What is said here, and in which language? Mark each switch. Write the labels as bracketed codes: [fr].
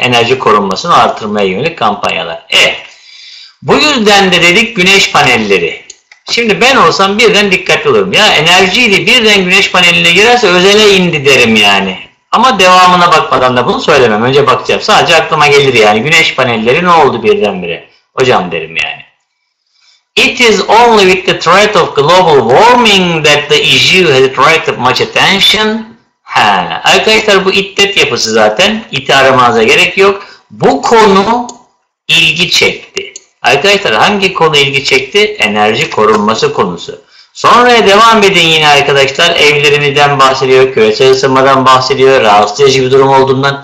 [tr] Enerji korunmasını artırmaya yönelik kampanyalar. Bu yüzden de dedik güneş panelleri. Şimdi ben olsam birden dikkatli olurum. Ya enerjiyle birden güneş paneline girerse özele indi derim yani. Ama devamına bakmadan da bunu söylemem. Önce bakacağım. Sadece aklıma gelir yani. Güneş panelleri ne oldu birdenbire? Hocam derim yani. [en] It is only with the threat of global warming that the issue has attracted much attention. Ha. [tr] Arkadaşlar bu iddet yapısı zaten. İti aramanıza gerek yok. Bu konu ilgi çekti. Arkadaşlar hangi konu ilgi çekti? Enerji korunması konusu. Sonraya devam edin yine arkadaşlar. Evlerimizden bahsediyor, küresel ısınmadan bahsediyor, rahatsız edici bir durum olduğundan.